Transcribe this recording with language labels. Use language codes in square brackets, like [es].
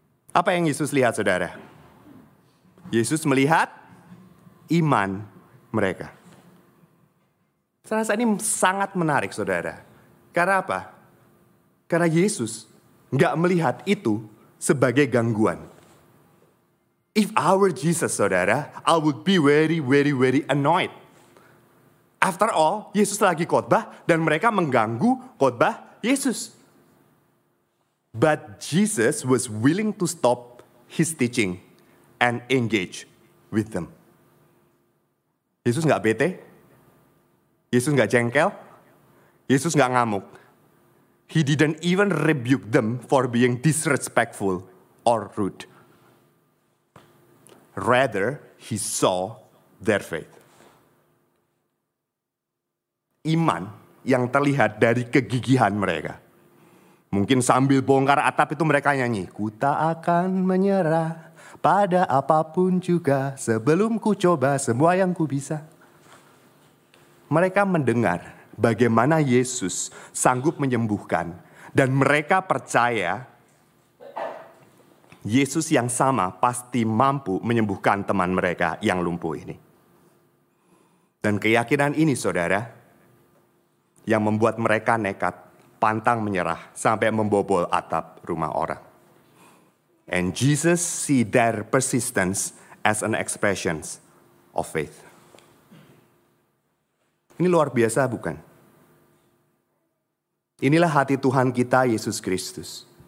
[id] Apa yang Yesus lihat saudara? Yesus melihat iman mereka. Saya rasa ini sangat menarik saudara. Karena apa? Karena Yesus gak melihat itu sebagai gangguan. [en] If I were Jesus, saudara, I would be very, very, very annoyed. After all, [id] Yesus lagi khotbah dan mereka mengganggu khotbah Yesus. [en] But Jesus was willing to stop his teaching and engage with them. [id] Yesus gak bete. Yesus gak jengkel. Yesus gak ngamuk. [en] He didn't even rebuke them for being disrespectful or rude. Rather, he saw their faith. [id] Iman yang terlihat dari kegigihan mereka. Mungkin sambil bongkar atap itu mereka nyanyi, ku tak akan menyerah pada apapun juga sebelum ku coba semua yang ku bisa. Mereka mendengar bagaimana Yesus sanggup menyembuhkan dan mereka percaya Yesus yang sama pasti mampu menyembuhkan teman mereka yang lumpuh ini. Dan keyakinan ini, saudara, yang membuat mereka nekat pantang menyerah sampai membobol atap rumah orang. [en] And Jesus see their persistence as an expression of faith. [id] Ini luar biasa, bukan? Inilah hati Tuhan kita, Yesus Kristus.